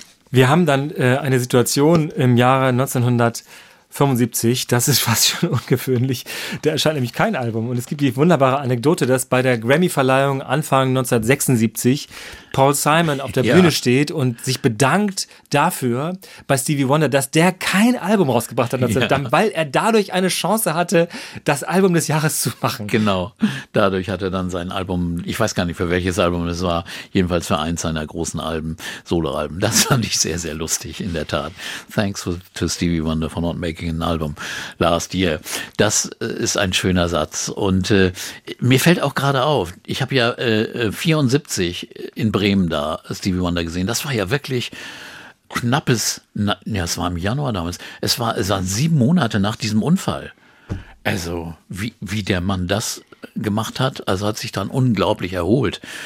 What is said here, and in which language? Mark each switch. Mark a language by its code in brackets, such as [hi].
[de] Wir haben dann eine Situation im Jahre 1975, das ist fast schon ungewöhnlich, da erscheint nämlich kein Album und es gibt die wunderbare Anekdote, dass bei der Grammy-Verleihung Anfang 1976 Paul Simon auf der Bühne steht und sich bedankt dafür bei Stevie Wonder, dass der kein Album rausgebracht hat, weil er dadurch eine Chance hatte, das Album des Jahres zu machen. Genau, dadurch hat er dann sein Album, ich weiß gar nicht für welches Album es war, jedenfalls für eins seiner großen Alben, Solo-Alben. Das fand ich sehr, sehr lustig in der Tat. [en] Thanks to Stevie Wonder for not making an album last year. [de] Das ist ein schöner Satz und mir fällt auch gerade auf, ich habe ja 74 in Bremen da Stevie Wonder gesehen. Das war ja wirklich es war im Januar damals. Es war 7 Monate nach diesem Unfall. Also, wie der Mann das gemacht hat, also hat sich dann unglaublich erholt.